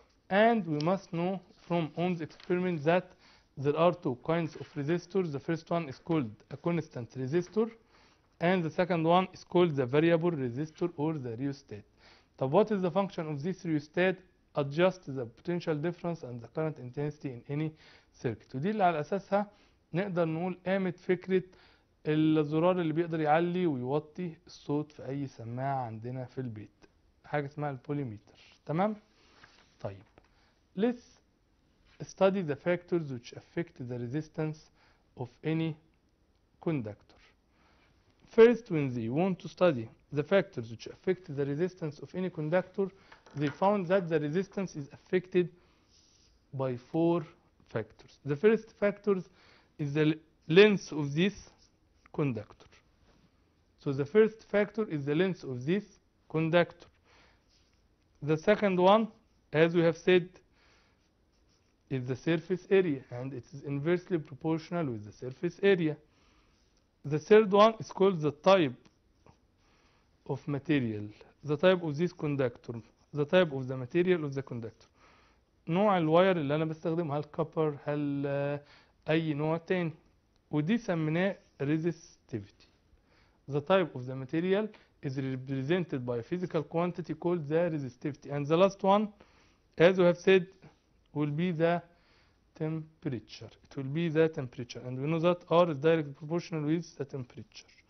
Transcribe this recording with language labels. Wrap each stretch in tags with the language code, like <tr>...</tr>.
<en>And we must know from Ohm's experiment that there are two kinds of resistors. The first one is called a constant resistor, and the second one is called the variable resistor or the rheostat. طب what is the function of this rheostat adjust the potential difference and the current intensity in any circuit.</en> <ar>ودي اللي على اساسها نقدر نقول قامت فكرة الزرار اللي بيقدر يعلي ويوطي الصوت في اي سماعة عندنا في البيت، حاجة اسمها البوليميتر. تمام.</ar> <en>طيب let's study the factors which affect the resistance of any conductor. First, when they want to study the factors which affect the resistance of any conductor, they found that the resistance is affected by four factors. The first factor is the length of this conductor. So the first factor is the length of this conductor. The second one, as we have said, is the surface area, and it is inversely proportional with the surface area. The third one is called the type of material, the type of this conductor, the type of the material of the conductor.</en> <ar>نوع الواير اللي انا بستخدمه، هل كوبر هل اي نوع تاني، ودي سميناه resistivity.</ar> <en>The type of the material is represented by a physical quantity called the resistivity. And the last one, as we have said, will be the temperature. It will be the temperature. And we know that R is directly proportional with the temperature.</en>